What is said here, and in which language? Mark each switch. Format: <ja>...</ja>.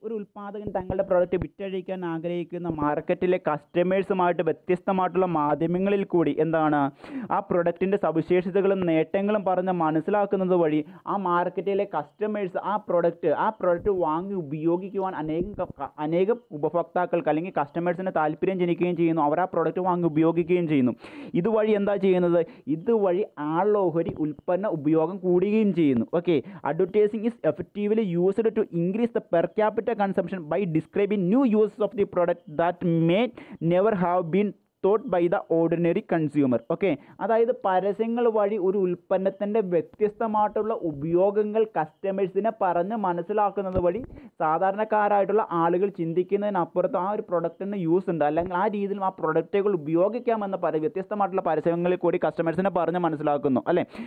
<ml>ഒരു ഉൽപ്പാദകൻ തങ്ങളുടെ പ്രൊഡക്റ്റ് വിറ്റഴിക്കാൻ ആഗ്രഹിക്കുന്ന മാർക്കറ്റിലെ കസ്റ്റമേഴ്സുമായിട്ട് വ്യത്യസ്തമായിട്ടുള്ള മാധ്യമങ്ങളിൽ കൂടി എന്താണ് ആ പ്രൊഡക്റ്റിൻ്റെ സവിശേഷതകളും നേട്ടങ്ങളും പറഞ്ഞ് മനസ്സിലാക്കുന്നത് വഴി ആ മാർക്കറ്റിലെ കസ്റ്റമേഴ്സ് ആ പ്രൊഡക്റ്റ് വാങ്ങി ഉപയോഗിക്കുവാൻ അനേകം ഉപഭോക്താക്കൾക്ക് അല്ലെങ്കിൽ കസ്റ്റമേഴ്സിൻ്റെ താല്പര്യം ജനിക്കുകയും ചെയ്യുന്നു. അവർ ആ പ്രൊഡക്റ്റ് വാങ്ങി ഉപയോഗിക്കുകയും ചെയ്യുന്നു. ഇതുവഴി എന്താ ചെയ്യുന്നത്, ഇതുവഴി ആളോഹരി ഉൽപ്പന്ന ഉപയോഗം കൂടുകയും ചെയ്യുന്നു.</ml> <en>Okay, advertising is effectively used to increase the per capita consumption by describing new uses of the product that may never have been thought by the ordinary consumer.</en> <ml>Okay, അതായത് പരസ്യങ്ങൾ വഴി ഒരു ഉൽപ്പന്നത്തിൻ്റെ വ്യത്യസ്തമായിട്ടുള്ള ഉപയോഗങ്ങൾ കസ്റ്റമേഴ്സിനെ പറഞ്ഞ് മനസ്സിലാക്കുന്നത് വഴി സാധാരണക്കാരായിട്ടുള്ള ആളുകൾ ചിന്തിക്കുന്നതിനപ്പുറത്ത് ആ ഒരു പ്രൊഡക്റ്റിന് യൂസ് ഉണ്ട് അല്ലെങ്കിൽ ആ രീതിയിൽ ആ പ്രൊഡക്റ്റുകൾ ഉപയോഗിക്കാമെന്ന് പറയും വ്യത്യസ്തമായിട്ടുള്ള പരസ്യങ്ങളിൽ കൂടി കസ്റ്റമേഴ്സിനെ പറഞ്ഞ് മനസ്സിലാക്കുന്നു അല്ലേ.</ml>